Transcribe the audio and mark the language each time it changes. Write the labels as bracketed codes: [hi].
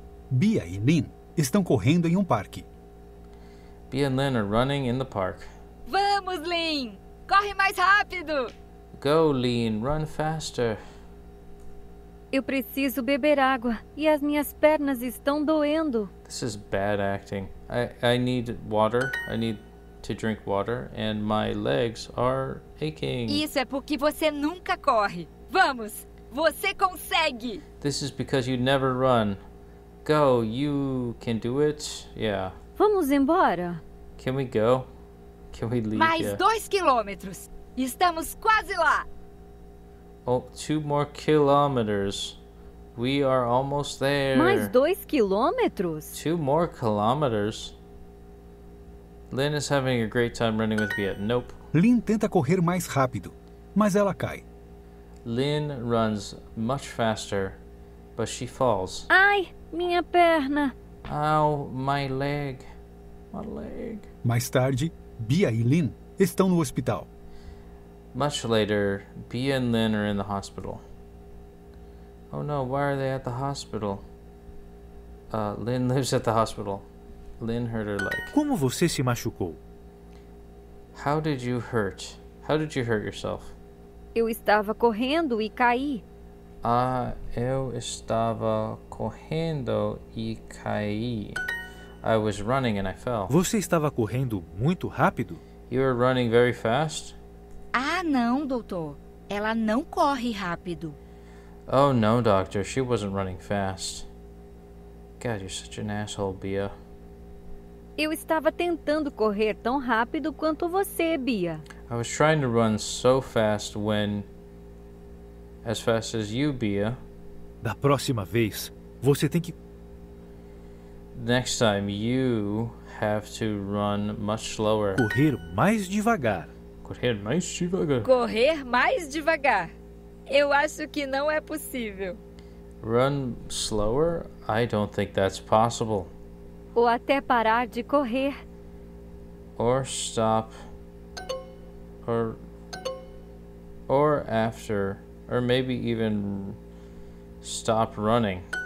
[pt] Bia e Lin estão correndo em parque. [en] Bia and Lin are running in the park. [pt] Vamos, Lin! Corre mais rápido! [en] Go, Lin. Run faster. [pt] Eu preciso beber água e as minhas pernas estão doendo. [en] This is bad acting. I need water. I need to drink water and my legs are aching. [pt] Isso é porque você nunca corre. Vamos! Você consegue! [en] This is because you never run. Go, you can do it. Yeah. [pt] Vamos embora. [en] Can we go? Can we leave? [pt] Mais 2 quilômetros. Estamos quase lá. [en] Oh, 2 more kilometers. We are almost there. [pt] Mais 2 quilômetros? [en] 2 more kilometers. Lin is having a great time running with Viet. Nope. [pt] Lin tenta correr mais rápido, mas ela cai. [en] Lin runs much faster, but she falls. [pt] Ai, minha perna. [en] Ow, my leg. My leg. [pt] Mais tarde, Bia e Lin estão no hospital. [en] Much later, Bia and Lin are in the hospital. Oh no, why are they at the hospital? Lin lives at the hospital. Lin hurt her leg. [pt] Como você se machucou? [en] How did you hurt? How did you hurt yourself? [pt] Eu estava correndo e caí. Ah, eu estava correndo e caí. [en] I was running and I fell. [pt] Você estava correndo muito rápido? [en] You were running very fast? [pt] Ah, não, doutor. Ela não corre rápido. [en] Oh, no, doctor. She wasn't running fast. God, you're such an asshole, Bia. [pt] Eu estava tentando correr tão rápido quanto você, Bia. [en] I was trying to run so fast when... As fast as you, Bia. [pt] Da próxima vez, você tem que... [en] Next time, you have to run much slower. [pt] Correr mais devagar. Correr mais devagar. Correr mais devagar. Eu acho que não é possível. [en] Run slower? I don't think that's possible. [pt] Ou até parar de correr. [en] Or stop. Or after. Or maybe even stop running.